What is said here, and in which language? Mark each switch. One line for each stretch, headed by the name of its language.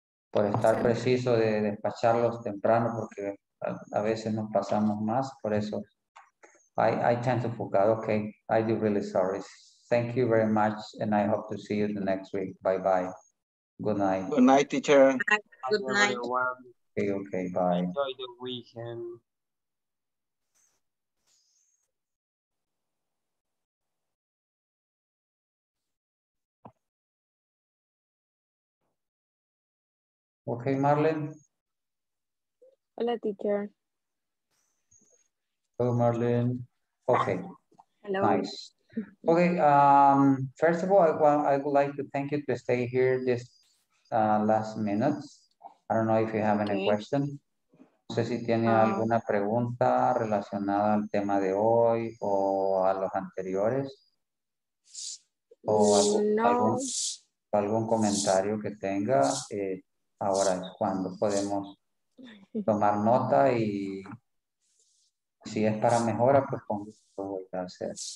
Spanish: Por estar preciso de despacharlos temprano porque a veces nos pasamos más, por eso.
English: I tend to forget. Okay, I do really sorry. Thank you very much, and I hope to see you the next week. Bye bye. Good night. Good night, teacher. Good night. Okay, okay, bye. Enjoy the weekend. Okay, Marlene.
Spanish: Hola, teacher.
English: Hello, Marlene. Okay. Hello. Nice. Okay, first of all, I would like to thank you to stay here this last minutes. I don't know if you have any question.
Spanish: No sé si tiene alguna pregunta relacionada al tema de hoy o a los anteriores. O algún comentario que tenga. Ahora es cuando podemos tomar nota y si es para mejora, pues pongo lo voy a hacer.